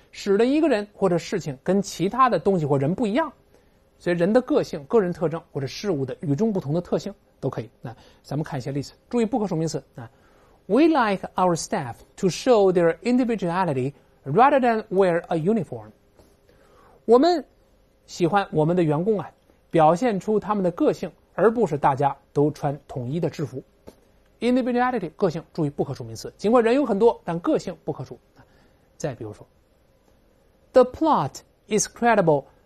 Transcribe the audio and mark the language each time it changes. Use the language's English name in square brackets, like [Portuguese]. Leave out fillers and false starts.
[Chinese] 使得一个人或者事情跟其他的东西或人不一样。所以人的个性、个人特征或者事物的与众不同的特性都可以。那咱们看一些例子，注意不可数名词。 [English] We like our staff to show their individuality rather than wear a uniform. [Chinese] 我们喜欢我们的员工啊，表现出他们的个性，而不是大家都穿统一的制服。 Individuality 个性，注意不可数名词。尽管人有很多，但个性不可数。再比如说 [English] ，The plot is credible.